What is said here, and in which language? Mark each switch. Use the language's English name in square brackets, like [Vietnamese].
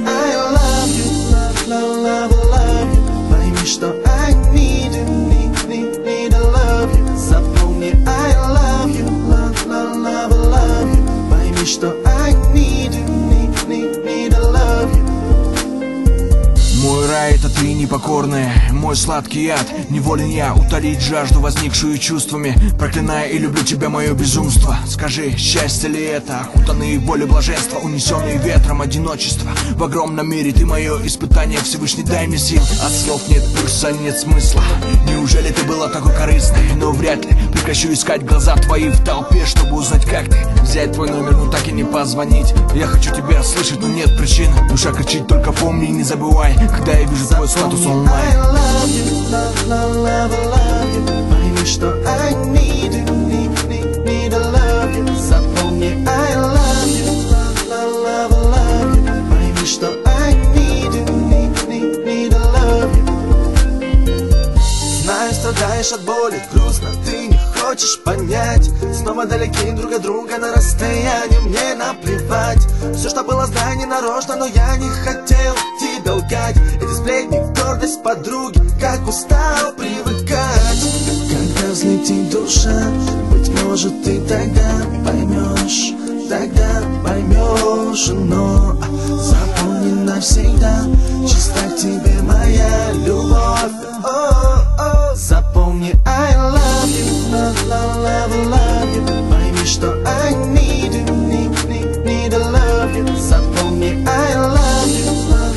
[English] I love you, love, love, love, love you. My wish that I need you, need, need, need, I love you. Up on me, I love you, love, love, love, love you. My wish that I need you, need, need, need, I love you. [Russian] Мой рай — это ты, непокорная, мой сладкий яд. Неволен я утолить жажду, возникшую чувствами. Проклинаю и люблю тебя, мое безумство. Скажи, счастье ли это? Окутанные волей блаженства, унесенные ветром одиночества. В огромном мире ты мое испытание, Всевышний, дай мне сил. От слов нет пульса, нет смысла. Неужели ты была такой корыстной? Но вряд ли прекращу искать глаза твои в толпе, чтобы узнать, как ты. Взять твой номер, но так и не позвонить. Я хочу тебя слышать, но нет причин. Душа кричит, только помни, не забывай. Когда я вижу твой статус онлайн. [English] I love you, love, love, love, love you. [Russian] Пойми, что [English] I need you, need, need, need, I love you. [Russian] Запомни, [English] I love you, love, love, love, love you. [Russian] Пойми, что [English] I need you, need, need, need, I love you. [Russian] Знаю, страдаешь от боли, грустно, ты не хочешь понять. Снова далеки друг от друга на расстоянии, мне наплевать. Все, что было, знай, не нарочно, но я не хотел. Эти сплетни, гордость подруги, как устал привыкать. Когда взлетит душа, быть может, ты тогда поймешь, тогда поймешь, но запомни навсегда, чиста к тебе моя любовь. Запомни, [English] I love you, love, love, love, love you. [Russian] Пойми, что [English] I need you, need, need, need, I love you. [Russian] Запомни, [English] I love you.